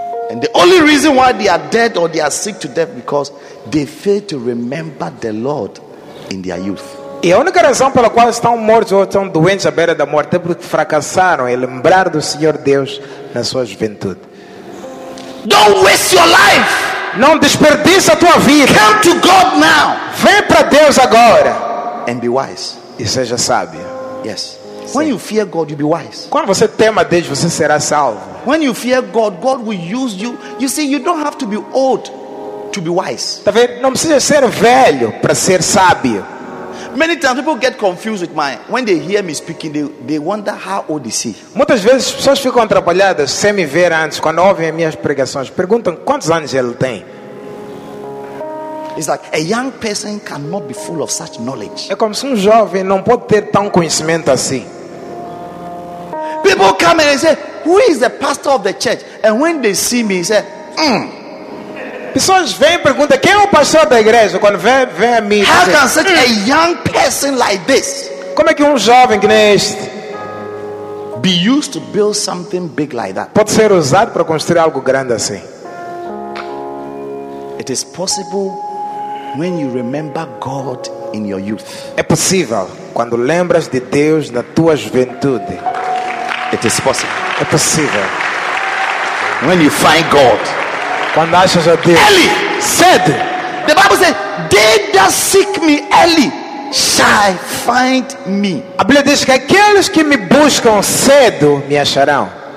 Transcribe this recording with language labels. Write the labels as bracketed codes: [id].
[en] And the only reason why they are dead or they are sick to death because they fail to remember the Lord in their youth. [pt] E a única razão pela qual estão mortos ou estão doentes à beira da morte é porque fracassaram em lembrar do Senhor Deus na sua juventude. [en] Don't waste your life. [pt] Não desperdice a tua vida. [en] Come to God now. [pt] Vem para Deus agora. [en] And be wise. [pt] E seja sábio. [en] Yes. [pt] Sim. [en] When you fear God, you be wise. [pt] Quando você teme a Deus, você será salvo. [en] When you fear God, God will use you. You see, you don't have to be old to be wise. [pt] Tá vendo? Não precisa ser velho para ser sábio. [en] Many times people get confused with my when they hear me speaking, they wonder how old is he. [pt] Muitas vezes pessoas ficam atrapalhadas sem me ver antes quando ouvem as minhas pregações. Perguntam quantos anos ele tem. [en] It's like a young person cannot be full of such knowledge. [pt] É como se um jovem não pode ter tão conhecimento assim. [en] People come and say, "Who is the pastor of the church?" And when they see me, they say, [pt] Pessoas vêm e perguntam quem é o pastor da igreja quando vem a mim. [en] How dizer, can such a young person like this? [pt] Como é que um jovem que nem este [en] be used to build something big like that? [pt] Pode ser usado para construir algo grande assim. [en] It is possible when you remember God in your youth. [pt] É possível quando lembras de Deus na tua juventude. [en] It is possible. [pt] É possível [en] when you find God. [pt] Quando achas a Deus, [en] early, said, the Bible says, they that seek me early shall find me. [pt] A Bíblia diz que aqueles que me buscam cedo me acharão.